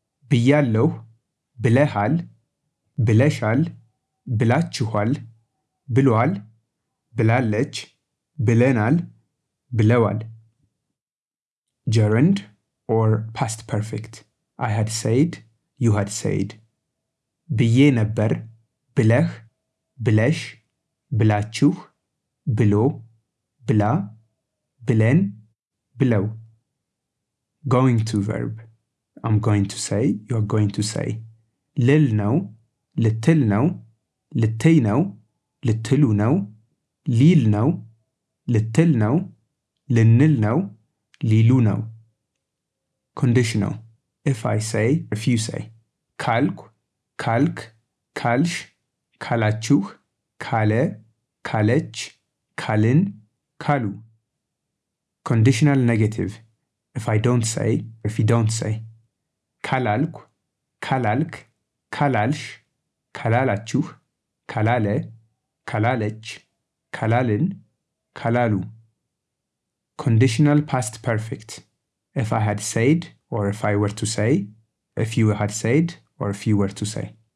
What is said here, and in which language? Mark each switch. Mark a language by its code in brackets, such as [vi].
[am] ብያለሁ ብለሃል ብለሻል ብላችኋል ብሏል ብላለች ብለናል ብለዋል [en] gerund or past perfect, I had said, you had said. [am] ብየ ነበር ብለህ ብለሽ ብላችሁ ብሎ ብላ ብለን ብለው [en] going to verb, I'm going to say, you are going to say. [am] ልል ነው ልትል ነው ልትይ ነው ልትሉ ነው ሊል ነው ልትል ነው ልንል ነው ሊሉ ነው [en] conditional, if I say, if you say. [am] ካልኩ ካልክ ካልሽ ካላችሁ ካለ ካለች ካልን ካሉ [en] conditional negative, if I don't say, if you don't say. [am] ካላልኩ ካላልክ ካላልሽ ካላላችሁ ካላለ ካላለች ካላልን ካላሉ [en] conditional past perfect, if I had said, or if I were to say, if you had said, or if you were to say.